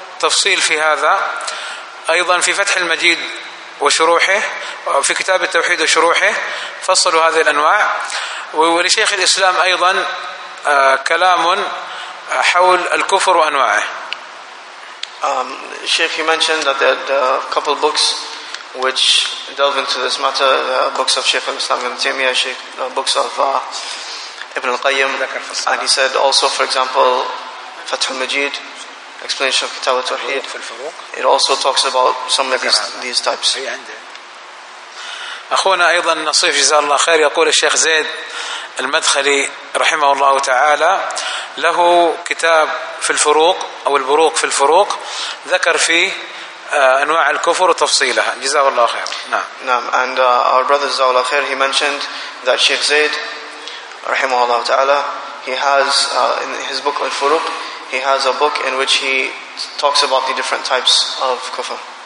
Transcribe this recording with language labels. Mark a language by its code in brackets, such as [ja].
[ar] تفصيل في هذا أيضا في فتح المجيد وشروحه، في كتاب التوحيد وشروحه فصلوا هذه الأنواع. ولشيخ الإسلام أيضا كلام حول الكفر وأنواعه. [en] Sheikh, you mentioned that there are a couple books which delve into this matter, the books of Sheikh al-Islam ibn Taymiyyah, books of Ibn al-Qayyim, and he said also, for example, Fath al-Majid, explanation of Kitab al-Tawheed. It also talks about some of these types. [ar] أخونا أيضا نصيف جزاه الله خير يقول الشيخ زيد المدخلي رحمه الله تعالى له كتاب في الفروق أو البروق في الفروق، ذكر فيه أنواع الكفر وتفصيلها. جزاه الله خير. نعم. [en] And our brother [ar] جزاه الله خير, [en] he mentioned that Sheikh Zayd [ar] رحمه الله تعالى, [en] he has in his book الفروق, he has a book in which he talks about the different types of kufr.